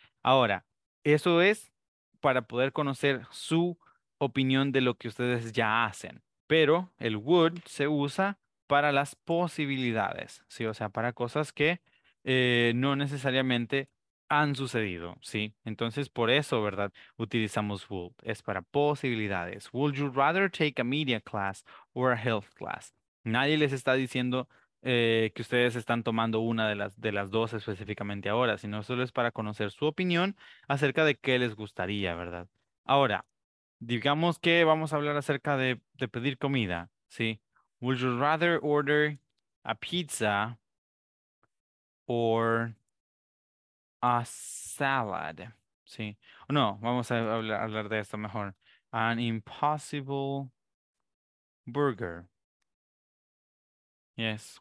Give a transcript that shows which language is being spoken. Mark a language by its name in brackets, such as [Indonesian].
[Spanish] Ahora, eso es para poder conocer su opinión de lo que ustedes ya hacen, pero el would se usa para las posibilidades, ¿sí? O sea, para cosas que no necesariamente han sucedido, ¿sí? Entonces, por eso, ¿verdad? Utilizamos would. Es para posibilidades. [English] Would you rather take a media class or a health class? [Spanish] Nadie les está diciendo que ustedes están tomando una de las dos específicamente ahora, sino solo es para conocer su opinión acerca de qué les gustaría, ¿verdad? Ahora, digamos que vamos a hablar acerca de pedir comida, ¿sí? [English] Would you rather order a pizza or a salad? [Spanish] ¿Sí? No, vamos a hablar de esto mejor. [English] An impossible burger. Yes.